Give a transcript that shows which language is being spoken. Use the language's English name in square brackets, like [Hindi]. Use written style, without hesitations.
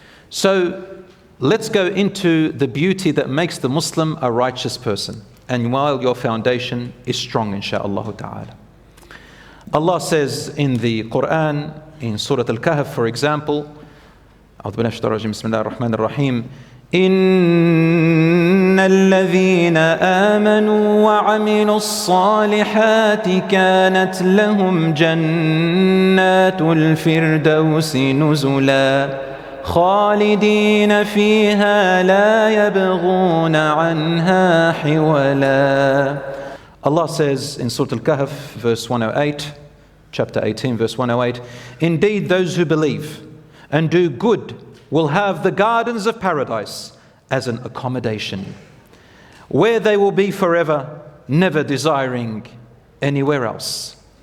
[English] So let's go into the beauty that makes the Muslim a righteous person. And while your foundation is strong, inshaAllah ta'ala. Allah says in the Quran, in Surah Al-Kahf, for example, [Arabic] أعوذ بالله من الشيطان الرجيم بسم الله الرحمن الرحيم إن الذين آمنوا وعملوا الصالحات كانت لهم جنات الفردوس نزلا خالدين فيها لا يبغون عنها حولا. [English] Allah says in Surah Al-Kahf, verse 108, chapter 18, verse 108, indeed those who believe and do good will have the gardens of paradise as an accommodation, where they will be forever, never desiring anywhere else.